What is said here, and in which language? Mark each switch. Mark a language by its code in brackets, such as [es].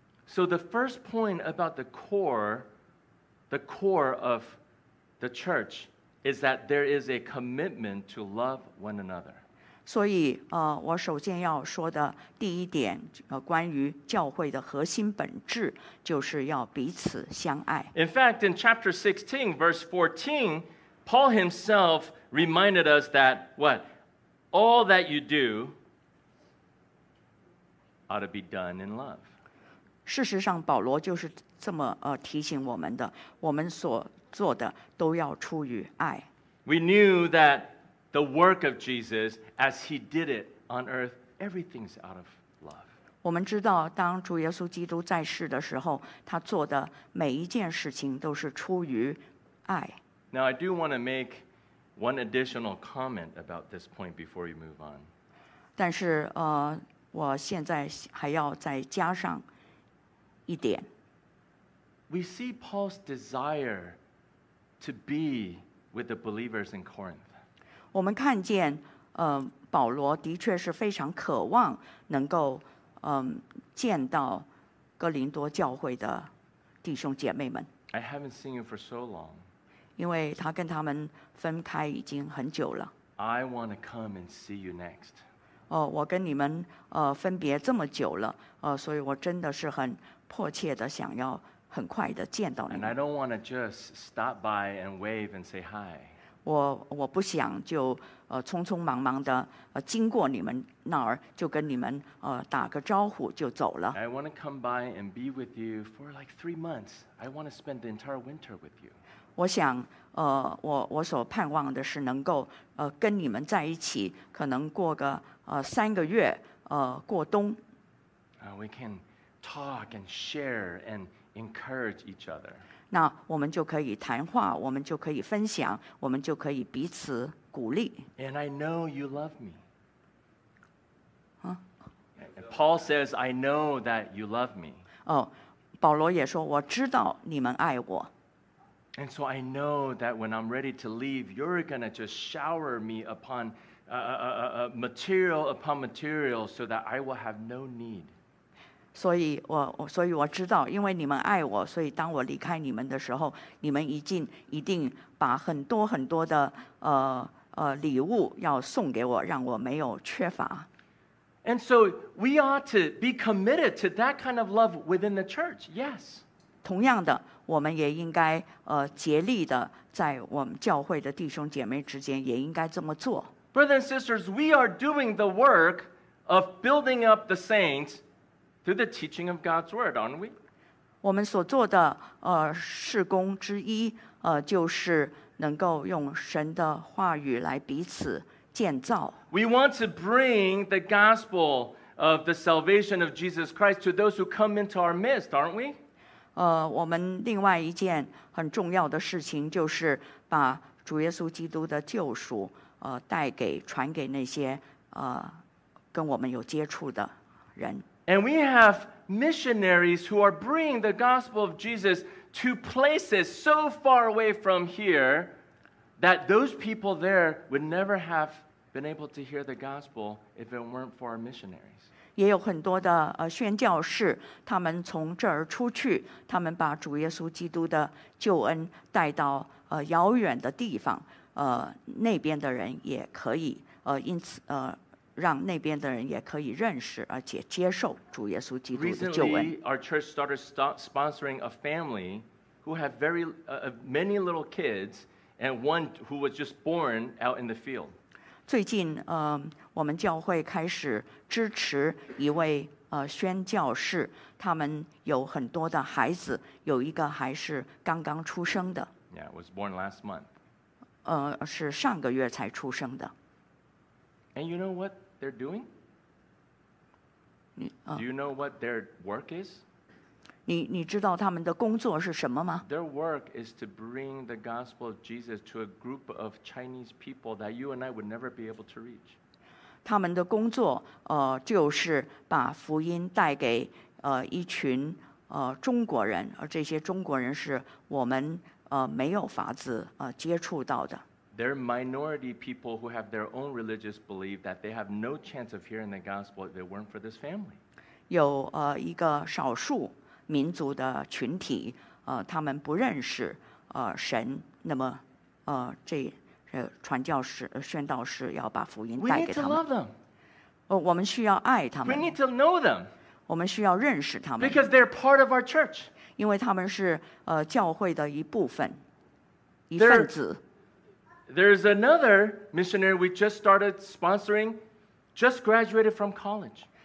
[en] So the first point about the core of the church is that there is a commitment to love one another. [zh] 所以我首先要说的第一点关于教会的核心本质就是要彼此相爱。 [en] In fact, in chapter 16, verse 14, Paul himself reminded us that what? All that you do ought to be done in love. [zh] 事实上保罗就是这么提醒我们的，我们所做的都要出于爱。 [en] We knew that the work of Jesus, as he did it on earth, everything's out of love. [zh] 我们知道当主耶稣基督在世的时候，他做的每一件事情都是出于爱。 [en] Now I do want to make one additional comment about this point before we move on. [zh] 但是我现在还要再加上一点。 [en] We see Paul's desire to be with the believers in Corinth. [zh] 我们看见，保罗的确是非常渴望能够，见到哥林多教会的弟兄姐妹们。 [en] I haven't seen you for so long. [zh] 因为他跟他们分开已经很久了。 [en] I want to come and see you next. [zh] 哦，我跟你们分别这么久了，所以我真的是很迫切的想要。很快的见到你。 [en] And I don't want to just stop by and wave and say hi. [zh] 我不想就匆匆忙忙的经过你们那儿就跟你们打个招呼就走了。 [en] I want to come by and be with you for like 3 months. I want to spend the entire winter with you. [zh] 我想我所盼望的是能够跟你们在一起，可能过个三个月过冬。 [en] We can talk and share and encourage each other. [zh] 那我们就可以谈话，我们就可以分享，我们就可以彼此鼓励。 [en] And I know you love me. And Paul says, I know that you love me. [zh] 哦，保罗也说，我知道你们爱我。 [en] And so I know that when I'm ready to leave, you're going to just shower me upon material upon material so that I will have no need. [zh] 所以我知道，因为你们爱我，所以当我离开你们的时候，你们一定把很多很多的礼物要送给我，让我没有缺乏。 [en] And so we ought to be committed to that kind of love within the church. Yes. [zh] 同样的，我们也应该竭力的在我们教会的弟兄姐妹之间也应该这么做。 [en] Brothers and sisters, we are doing the work of building up the saints. Through the teaching of God's word, aren't we? [zh] 我们所做的事工之一就是能够用神的话语来彼此建造。 [en] We want to bring the gospel of the salvation of Jesus Christ to those who come into our midst, aren't we? [zh] 我们另外一件很重要的事情就是把主耶稣基督的救赎带给传给那些跟我们有接触的人。 [en] And we have missionaries who are bringing the gospel of Jesus to places so far away from here that those people there would never have been able to hear the gospel if it weren't for our missionaries. [zh] 也有很多的宣教士，他们从这儿出去，他们把主耶稣基督的救恩带到遥远的地方，那边的人也可以因此让那边的人也可以认识而且接受主耶稣基督的救恩。 [en] Recently, our church started sponsoring a family who have many little kids and one who was just born out in the field. [zh] 最近，我们教会开始支持一位宣教士，他们有很多的孩子，有一个还是刚刚出生的。 [en] Yeah, it was born last month. [zh] 是上个月才出生的。 [en] And you know what they're doing? Do you know what their work is? [zh] 你知道他们的工作是什么吗？ [en] Their work is to bring the gospel of Jesus to a group of Chinese people that you and I would never be able to reach. [zh] 他们的工作就是把福音带给一群中国人，而这些中国人是我们没有法子接触到的。 [en] They're minority people who have their own religious belief that they have no chance of hearing the gospel if it weren't for this family. [zh] 有一个少数民族的群体，他们不认识神，那么这传教士、宣道士要把福音带给他们。 [en] We need to love them. [zh] 我们需要爱他们。 [en] We need to know them. [zh] 我们需要认识他们。 [en] Because they're part of our church. [zh] 因为他们是教会的一部分，一份子。 [en] There's another missionary we just started sponsoring, just graduated from college.